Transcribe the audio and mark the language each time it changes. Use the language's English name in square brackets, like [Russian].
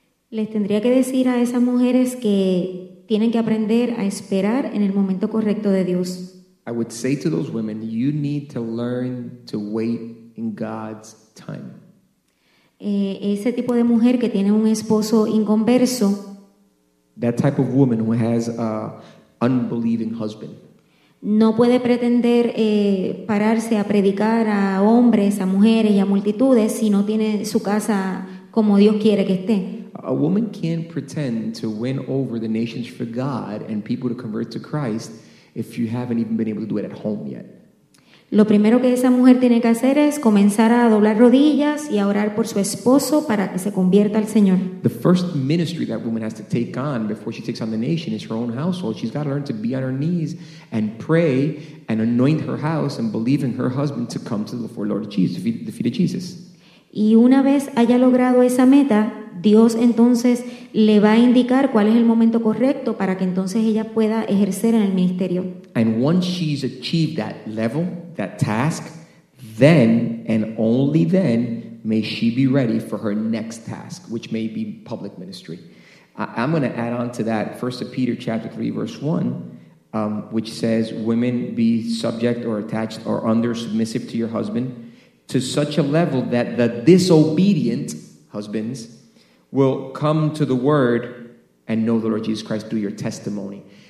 [Spanish] Les tendría que decir a esas mujeres que tienen que aprender a esperar en el momento correcto de Dios. [English] I would say to those women, you need to learn to wait in God's time. [Spanish] Ese tipo de mujer que tiene un esposo inconverso. [English] That type of woman who has an unbelieving husband. [Spanish] No puede pretender pararse a predicar a hombres, a mujeres y a multitudes si no tiene su casa como Dios quiere que esté. [English] A woman can't pretend to win over the nations for God and people to convert to Christ if you haven't even been able to do it at home yet. [Spanish] Lo primero que esa mujer tiene que hacer es comenzar a doblar rodillas y a orar por su esposo para que se convierta al Señor. [English] The first ministry that woman has to take on before she takes on the nation is her own household. She's got to learn to be on her knees and pray and anoint her house and believe in her husband to come to the Lord Jesus, the feet of Jesus. [Spanish] Y una vez haya logrado esa meta, Dios entonces le va a indicar cuál es el momento correcto para que entonces ella pueda ejercer en el ministerio. [English] And once she's achieved that level, that task, then and only then may she be ready for her next task, which may be public ministry. I'm going to add on to that 1 Peter chapter 3, verse 1, which says, women be subject or attached or under submissive to your husband to such a level that the disobedient husbands will come to the word and know the Lord Jesus Christ through your testimony.